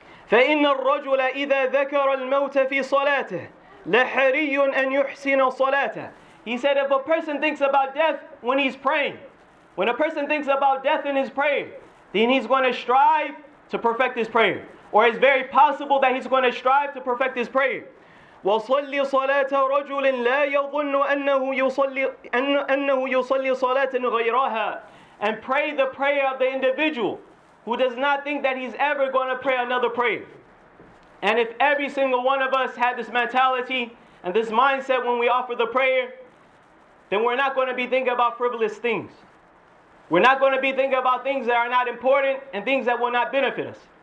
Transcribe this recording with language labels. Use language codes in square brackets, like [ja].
[ar] فَإِنَّ الرَّجُلَ إِذَا ذَكَرَ الْمَوْتَ فِي صَلَاتِهِ لَحَرِيٌّ أَنْ يُحْسِنَ صَلَاتَهِ. [en] He said, if a person thinks about death when he's praying, when a person thinks about death in his prayer, then he's going to strive to perfect his prayer. Or it's very possible that he's going to strive to perfect his prayer. [ar] وصل صلاة رجل لا يظن أنه يصلي أنه يصلي صلاة غيرها. [en] And pray the prayer of the individual who does not think that he's ever going to pray another prayer. And if every single one of us had this mentality and this mindset when we offer the prayer, then we're not going to be thinking about frivolous things. We're not going to be thinking about things that are not important and things that will not benefit us.